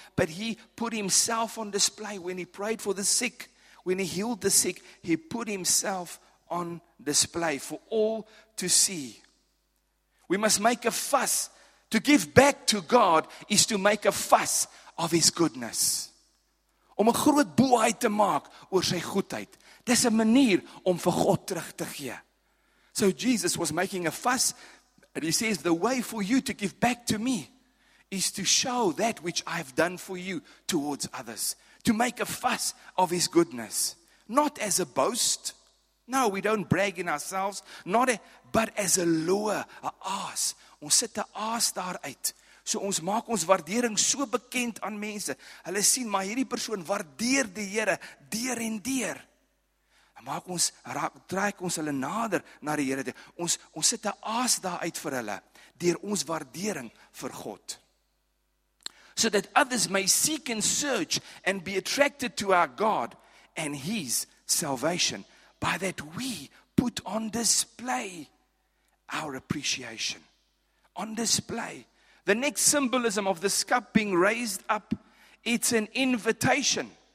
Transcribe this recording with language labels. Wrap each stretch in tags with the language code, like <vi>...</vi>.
<en>But he put himself on display when he prayed for the sick. When he healed the sick, he put himself on display for all to see. We must make a fuss. To give back to God is to make a fuss of his goodness.</en> <af>Om 'n groot boeheid te maak oor sy goedheid. Dis 'n manier om vir God terug te gee.</af> <en>So Jesus was making a fuss, and he says, the way for you to give back to me is to show that which I've done for you towards others. To make a fuss of his goodness. Not as a boast. No, we don't brag in ourselves. But as a lure,</en> <af>a aas. Ons sit 'n aas daar uit. So ons maak ons waardering so bekend aan mense. Hulle sien, maar hierdie persoon waardeer die Here deur en deur. En maak ons, trek ons hulle nader na die Here. Ons sit 'n aas daar uit vir hulle, deur ons waardering vir God.</af> <en>So that others may seek and search and be attracted to our God and His salvation. By that we put on display our appreciation. On display. The next symbolism of this cup being raised up, it's an invitation.</en>